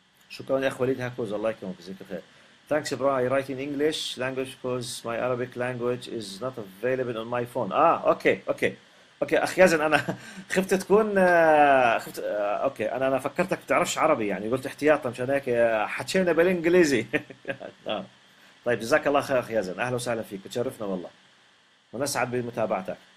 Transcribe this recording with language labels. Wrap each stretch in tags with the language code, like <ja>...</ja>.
<ar>شكرا يا اخ وليد هاكوز، الله يكرمك ويجزيك الخير.</ar> <en>Thanks bro, I write in English language because my Arabic language is not available on my phone.</en> <ar>اه اوكي اوكي اوكي اخ يزن، انا خفت تكون خفت اوكي، انا فكرتك ما بتعرفش عربي يعني، قلت احتياطا مشان هيك حكينا بالانجليزي. طيب جزاك الله خير اخ يزن، اهلا وسهلا فيك، تشرفنا والله ونسعد بمتابعتك.</ar>